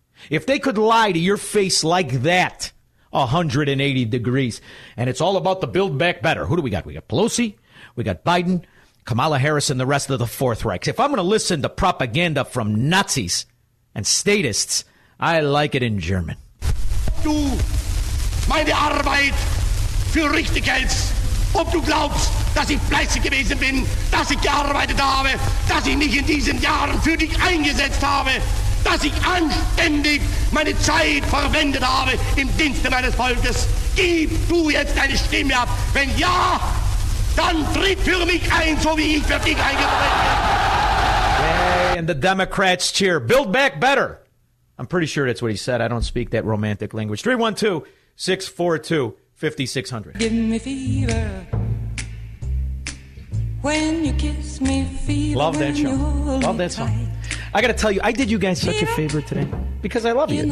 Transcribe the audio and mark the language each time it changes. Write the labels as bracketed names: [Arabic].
[English] If they could lie to your face like that, 180 degrees, and it's all about the Build Back Better. Who do we got? We got Pelosi. We got Biden, Kamala Harris, and the rest of the Fourth Reich. If I'm going to listen to propaganda from Nazis and statists, I like it in German. [German] Du, meine Arbeit für Richtigkeit. Ob du glaubst, dass ich fleißig gewesen bin, dass ich gearbeitet habe, dass ich mich in diesen Jahren für dich eingesetzt habe, dass ich anständig meine Zeit verwendet habe im Dienste meines Volkes. Gib du jetzt deine Stimme ab. Wenn ja, dann tritt für mich ein, so wie ich für dich eingetreten [English] bin. Yay, and the Democrats cheer. Build back better. I'm pretty sure that's what he said. I don't speak that romantic language. 312-642-5600. Give me fever. When you kiss me, fever. Love that show. Love that song. I got to tell you, I did you guys such a favor today because I love you.